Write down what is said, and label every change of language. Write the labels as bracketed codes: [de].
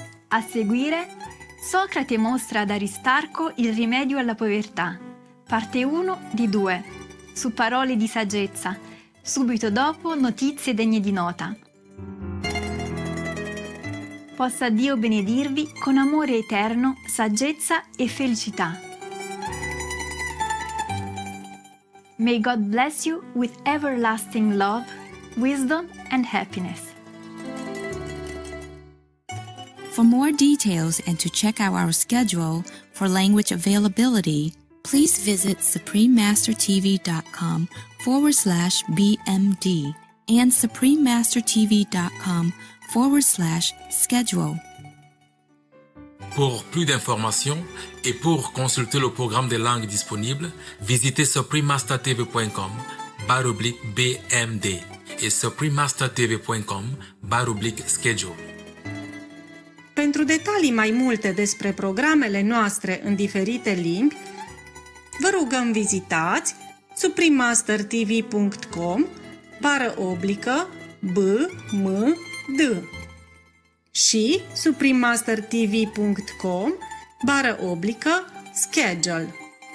[it] A seguire, Socrate mostra ad Aristarco il rimedio alla povertà, parte 1 di 2, su Parole di saggezza, subito dopo Notizie degne di nota. Possa Dio benedirvi con amore eterno, saggezza e felicità. [en] May God bless you with everlasting love, wisdom and happiness. For more details and to check out our schedule for language availability, please visit suprememastertv.com/BMD and suprememastertv.com/schedule. [fr] Pour plus d'informations et pour consulter le programme des langues disponibles, visitez suprememastertv.com/BMD et suprememastertv.com/schedule. [ro] Pentru detalii mai multe despre programele noastre în diferite limbi, vă rugăm vizitați suprememastertv.com/BMD și suprememastertv.com/schedule.